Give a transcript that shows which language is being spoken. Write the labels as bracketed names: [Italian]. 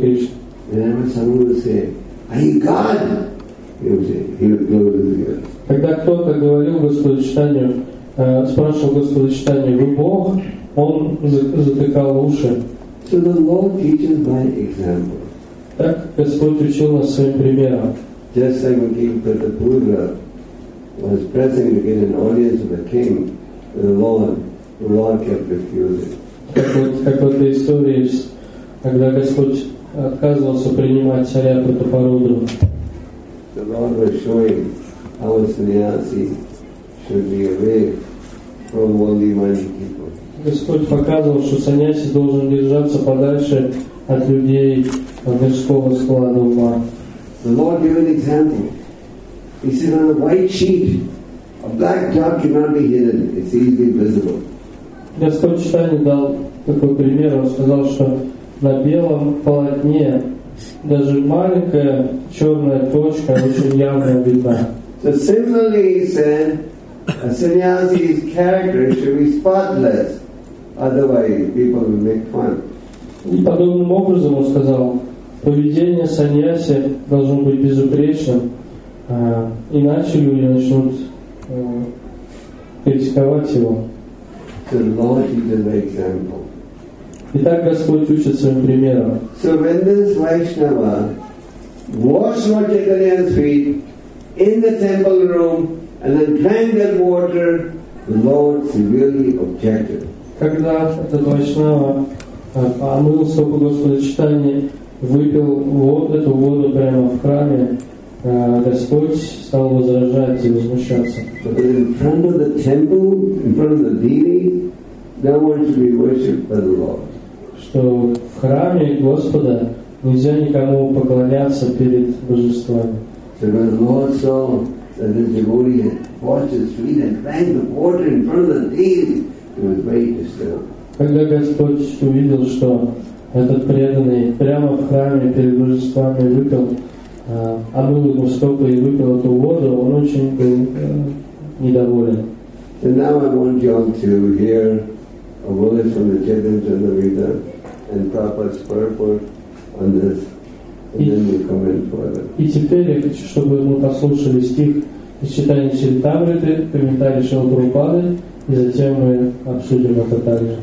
[Russian] Кришну. Когда кто-то говорил Господу Чайтанью, спрашивал Господа Чайтанью, вы Бог, он затыкал уши. [English] So the Lord teaches by example. [Russian] Так Господь учил нас своим примером. [English] Just like when King Pratapudra was pressing to get an audience of the king, The Lord was showing how a sannyasi should be away from worldly minded people. [Russian] Господь показывал, что саньяси должен держаться подальше от людей мирского склада ума. [English] The Lord gave an example. He said, on a white sheet, a black dot cannot be hidden. It's easily visible. [Russian] Господь Чайтанья дал такой пример. Он сказал, что на белом полотне даже маленькая черная точка очень явно видна. [English] So similarly, he said, a sannyasi's character should be spotless. Otherwise, people will make fun. [Russian] И подобным образом он сказал, поведение саньяси должно быть безупречным, иначе люди начнут критиковать его. [English] So the Lord teaches by example. [Russian] Итак, Господь учит своим примером. [English] So when this Vaishnava washed Lord Chaitanya's feet in the temple room and then drank that water, the Lord severely objected. [Russian] Когда этот Вайшнава омыл стопы Господа Чайтаньи, выпил вот эту воду прямо в храме, Господь стал возражать и возмущаться. [English] In front of the temple, in front of the deity, no one should be worshipped by the Lord. [Russian] Что в храме Господа нельзя никому поклоняться перед божествами. [English] So when the Lord saw that the devotee washed his feet and drank the water in front of the deity, he was very disturbed. [Russian] Когда Господь увидел, что этот преданный прямо в храме перед божествами выпил омыл ему стопы и выпил эту воду, он очень был недоволен. [English] So now I want you all to hear a verse from the Chaitanya Charitamrita and Prabhupada's purport on this, and then we'll comment further. [Russian] И теперь я хочу, чтобы мы послушали стих из Чайтаньи Чаритамриты, комментарий Шрилы Прабхупады, и затем мы обсудим это также.